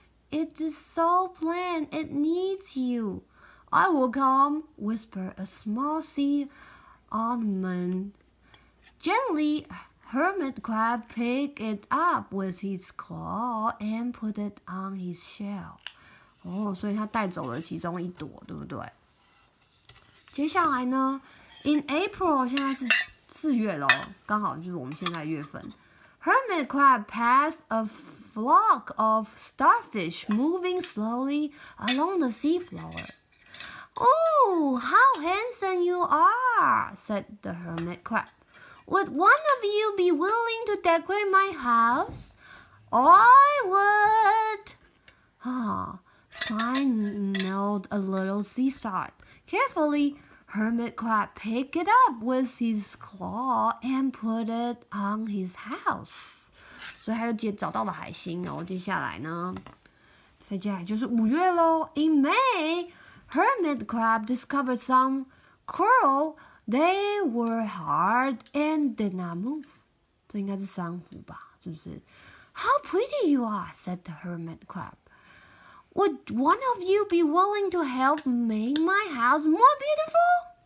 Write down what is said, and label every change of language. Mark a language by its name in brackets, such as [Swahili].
[English] It is so plain, it needs you. I will come, whispered a small sea anemone. Gently, hermit crab picked it up with his claw and put it on his shell. [Chinese] 所以他带走了其中一朵，对不对？接下来呢 ？ [English] In April， [Chinese] 现在是四月喽，刚好就是我们现在月份。 [English] Hermit crab passed a flock of starfish moving slowly along the seafloor. Oh, how handsome you are! Said the hermit crab. Would one of you be willing to decorate my house? I would. Signaled a little sea star. Carefully. Hermit crab picked it up with his claw and put it on his house. [Chinese] 所以他就找到了海星哦。接下来呢？再接下来就是五月咯。 [English] In May, hermit crab discovered some coral. They were hard and did not move. [Chinese] 这应该是珊瑚吧，是不是？ [English] How pretty you are, said the hermit crab. Would one of you be willing to help make my house more beautiful?